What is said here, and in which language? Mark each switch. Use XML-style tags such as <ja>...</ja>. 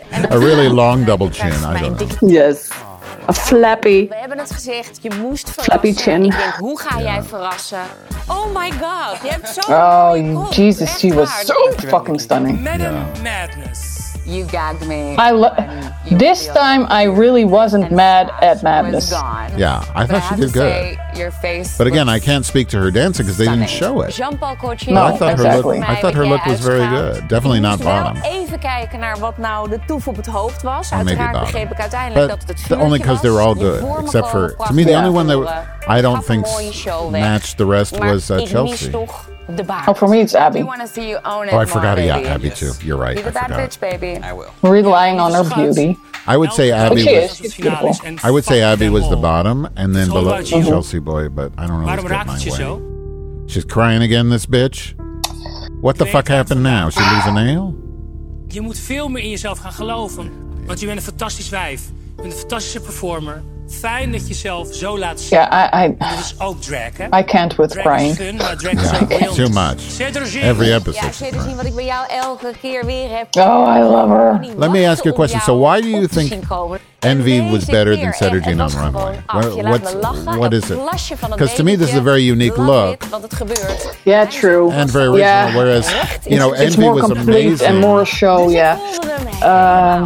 <en>a really long double chin, I don't know. Yes. A flappy.</en> <nl>We hebben het gezegd, je moest verrassen.</nl> <en>Flappy chin.</en> <nl>Ik denk, hoe ga jij verrassen? Oh my god, je hebt zo'n...</nl> <en>Oh, Jesus, she was so fucking stunning. Madness. You gagged me. This time, I really wasn't mad at Madness. Yeah, I thought she did good. But again, I can't speak to her dancing because they didn't show it. No, I thought exactly. her look was very good. Definitely not bottom.</en> <nl>Even kijken naar wat nou de toef op het hoofd was. Uiteraard begreep ik uiteindelijk dat het vuurtje was.</nl> <en>Only because they were all good. Except for, to me, the only one that I don't think matched the rest was Chelsea. Oh, for me, it's Abby. Oh, I forgot. Yeah, Abby too. You're right. I forgot. Bitch, baby. I will. Relying on her beauty. I would say Abby she was. Is. She's beautiful. I would say Abby was the bottom, and then below Chelsea Boy. But I don't really get my way. She's crying again, this bitch. What the fuck happened now? She lose a nail? You must feel more in yourself</en> <nl>gaan geloven, want je bent een fantastisch wijf. Je bent een fantastische performer. Fijn dat je zelf zo laat zien.</nl> <en>Yeah, I</en> <nl>is ook drag, hè?</nl> <en>I can't with crying. Yeah, too much. Every episode.</en> <nl>Yeah, Cedric, wat ik bij jou elke keer weer heb.</nl> <en>Oh, I love her. Let me ask you a question. So why do you think Envy was better than Cedric on runway? What is it? Because to me, this is a very unique look. Yeah, true. And very original. Yeah. Whereas, you know, Envy was amazing. And more show, yeah.</en>